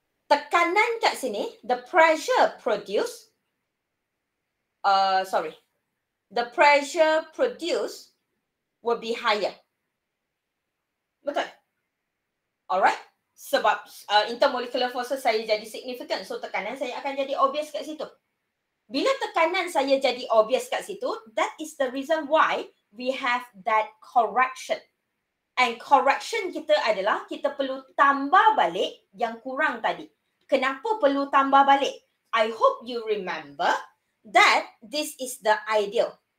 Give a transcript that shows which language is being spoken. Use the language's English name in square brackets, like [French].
[Malay] Tekanan kat sini, [English] the pressure produced, the pressure produced will be higher. Betul? Alright? [Malay] Sebab intermolecular forces saya jadi significant, so tekanan saya akan jadi obvious kat situ. Bila tekanan saya jadi obvious kat situ, [English] that is the reason why we have that correction. [Malay] And correction kita adalah kita perlu tambah balik yang kurang tadi. Kenapa perlu tambah balik? [English] I hope you remember that this is the ideal.